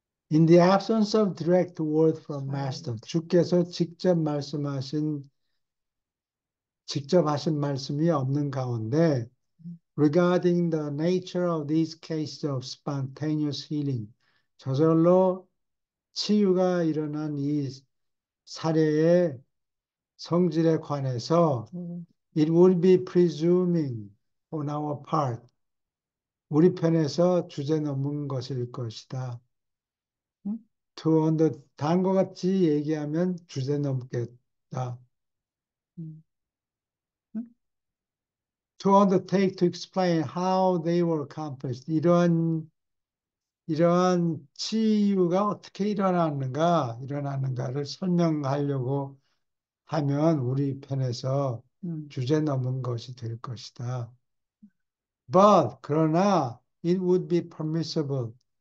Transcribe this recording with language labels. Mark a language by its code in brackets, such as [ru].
[en] In the absence of direct word from master, [ko] 주께서 직접 하신 말씀이 없는 가운데, [en] regarding the nature of these cases of spontaneous healing, [ko] 저절로 치유가 일어난 이 사례의 성질에 관해서, [en] it would be presuming on our part, [ko] 우리 편에서 주제넘은 것일 것이다. 다음과 같이 얘기하면 주제넘겠다. [en] To undertake to explain how they were accomplished. [ko] 이러한 치유가 어떻게 일어나는가를 설명하려고 하면 우리 편에서 주제넘은 것이 될 것이다. [en] But, [ko] 그러나, [en] it would be permissible.